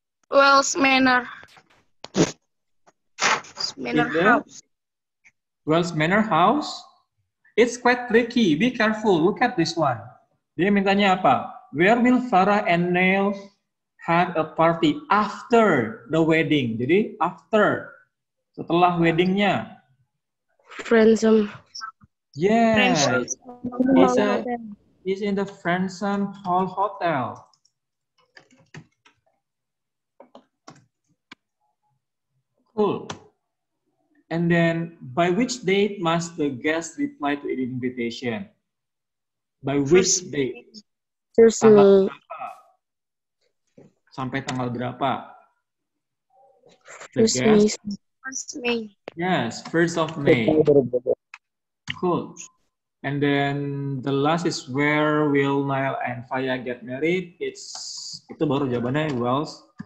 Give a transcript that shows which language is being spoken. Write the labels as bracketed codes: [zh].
[en] Wells Manor. Wells Manor House. Wells Manor House? It's quite tricky. Be careful. Look at this one. [id] Dia mintanya apa? [en] Where will Farah and Nail have a party after the wedding? [id] Jadi after, setelah weddingnya. [en] Friendsome. Yes. He's in the Friendsome Hall Hotel. Cool. And then, by which date must the guest reply to an invitation? By which date? [id] Sampai tanggal berapa? [en] First May. Yes, first of May. Cool. And then the last is where will Niall and Faya get married? It's [id] itu baru jawabannya Wells.